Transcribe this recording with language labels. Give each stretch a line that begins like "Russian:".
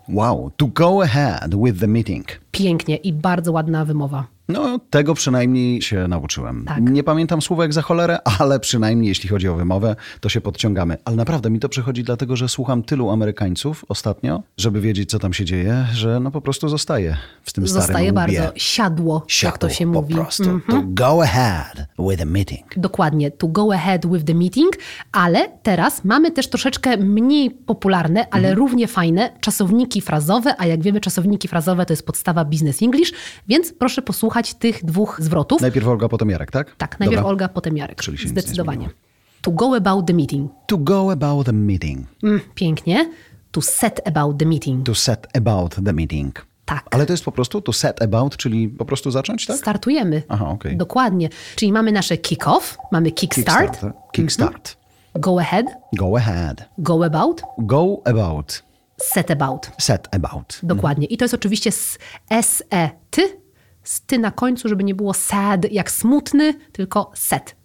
English: Wow, to go ahead with the meeting.
Polish: Pięknie i bardzo ładna wymowa. No, tego przynajmniej się nauczyłem. Tak. Nie pamiętam słówek za cholerę, ale przynajmniej jeśli chodzi o wymowę, to się podciągamy. Ale naprawdę mi to przychodzi dlatego, że słucham tylu Amerykańców ostatnio, żeby wiedzieć, co tam się dzieje, że no po prostu zostaje w tym zostaje starym Zostaje bardzo. Siadło, jak to się mówi. Po prostu. Mm-hmm.
English: To go ahead with the meeting.
Polish: Dokładnie.
English: To go ahead with the meeting.
Polish: Ale teraz mamy też troszeczkę mniej popularne, ale równie fajne czasowniki frazowe, a jak wiemy, czasowniki frazowe to jest podstawa business English, więc proszę posłuchać tych dwóch zwrotów. Najpierw Olga, potem Jarek, tak? Tak, najpierw Olga, potem Jarek. Czyli się zdecydowanie. Nic nie
English: to go about the meeting. To go about the meeting.
Polish: Pięknie.
English: To set about the meeting. To set about the meeting.
Polish: Tak. Ale to jest po prostu
English: to set about,
Polish: czyli po prostu zacząć, tak? Startujemy. Aha, okej. Okay. Dokładnie. Czyli mamy nasze kick-off, mamy kickstart.
English: Kickstart. Go ahead. Go ahead. Go about. Go about. Set about. Set about.
Polish: Dokładnie. I to jest oczywiście S-E-T, z ty na końcu, żeby nie było sad, jak smutny, tylko set.